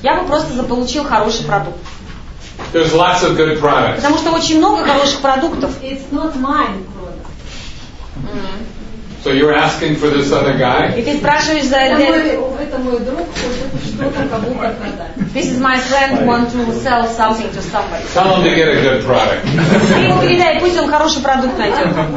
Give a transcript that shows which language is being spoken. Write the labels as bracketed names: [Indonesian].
[Russian] Я бы просто заполучил хороший продукт. [English] There's lots of good products. [Russian] Потому что очень много хороших продуктов. [English] It's not mine product. So you're asking for this other guy? [Russian] И ты спрашиваешь за это? Это мой друг, что-то кому-то продать. [English] This is my friend who wants to sell something to somebody. Tell him to get a good product. [Russian] Ты ему передай, пусть он хороший продукт найдет.